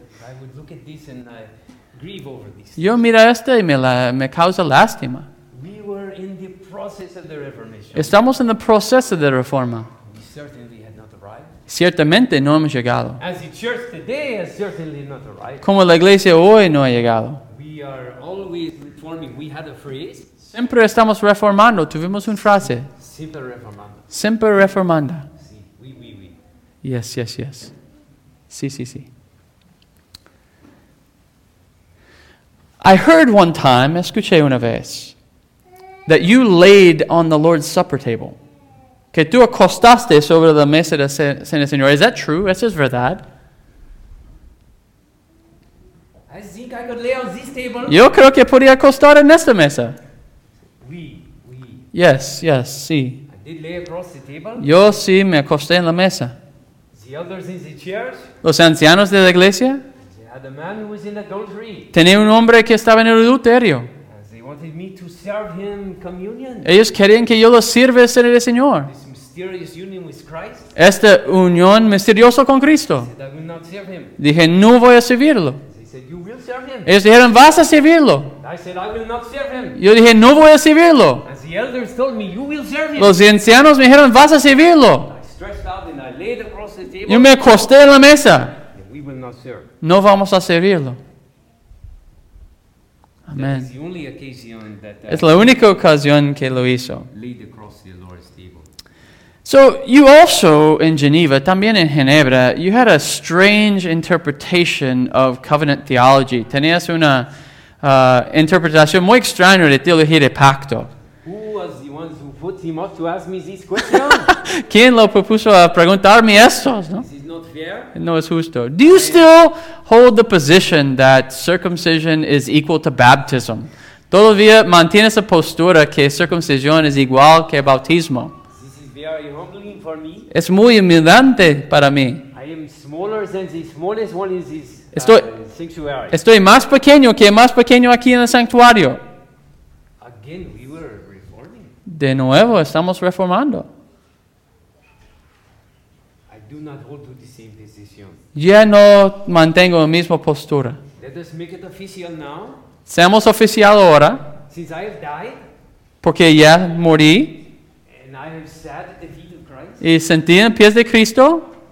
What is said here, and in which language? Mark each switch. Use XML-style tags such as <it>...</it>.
<en>I would look at this and I grieve over this.</en> <es>Yo mira esto y me causa lástima.</es> <en>We were in the process of the Reformation.</en> <es>Estamos en el proceso de la Reforma.</es> <en>We certainly had not arrived.</en> <es>Ciertamente no hemos llegado.</es> <en>As the church today has certainly not arrived.</en> <es>Como la iglesia hoy no ha llegado.</es> <en>We are always reforming. We had a phrase.</en> <es>Siempre estamos reformando. Tuvimos una frase. Siempre reformando. Siempre reformando. Sí, sí, sí.</es> <en>Yes, yes, yes.</en> <es>Sí, sí, sí.</es> <en>I heard one time,</en> <es>escuché una vez,</es> <en>that you laid on the Lord's Supper table.</en> <es>Que tú acostaste sobre la mesa de Cena Señor.</es> <en>Is that true?</en> <es>¿Eso es verdad?</es> <en>I think I could lay on this table.</en> <es>Yo creo que podía acostar en esta mesa.</es> <fr>Oui.</fr> <en>Yes, yes, sí. I did lay across the table.</en> <es>Yo sí me acosté en la mesa.</es> <en>Is</en> <es>Los ancianos de la iglesia.</es> <en>The man who was in adultery.</en> <es>Tenía un hombre que estaba en el adulterio.</es> <en>They wanted me to serve him communion.</en> <es>Ellos querían que yo los sirviese en el Señor.</es> <en>This mysterious union with Christ.</en> <es>Esta unión misteriosa con Cristo.</es> <en>They said, I will not serve him.</en> <es>Dije, no voy a servirlo.</es> <en>They said, you will serve him.</en> <es>Ellos dijeron, vas a servirlo.</es> <en>I said, I will not serve him.</en> <es>Yo dije, no voy a servirlo.</es> <en>As the elders told me, you will serve him.</en> <es>Los ancianos me dijeron, vas a servirlo.</es> <en>I stretched out and I laid across the table.</en> <es>Yo me acosté en la mesa. No vamos a servirlo. Amén. Es la única ocasión que lo hizo.</es> <en>Lead across the Lord's table. So, you also, in Geneva,</en> <es>también en Ginebra,</es> <en>you had a strange interpretation of covenant theology.</en> <es>Tenías una interpretación muy extraña de teología de pacto.</es> <en>Who was the ones who put him up to ask me this question?</en> <es>¿Quién lo propuso a preguntarme esto? ¿No? No es justo.</es> <en>Do you still hold the position that circumcision is equal to baptism?</en> <es>¿Todavía mantienes la postura que circuncisión es igual que bautismo?</es> <en>This is very humbling for me.</en> <es>Es muy humillante para mí.</es> <en>I am smaller than the smallest one in this sanctuary.</en> <es>Estoy más pequeño que el más pequeño aquí en el santuario.</es> <en>Again, we were reforming.</en> <es>De nuevo, estamos reformando.</es> <en>I do not hold to this.</en> <es>Ya no mantengo la misma postura.</es> <en>Let us make it official now.</en> <es>Seamos oficial ahora.</es> <en>Since I have died,</en> <es>porque ya morí.</es> <en>And I have sat at the feet of Christ,</en> <es>y sentí en pies de Cristo.</es>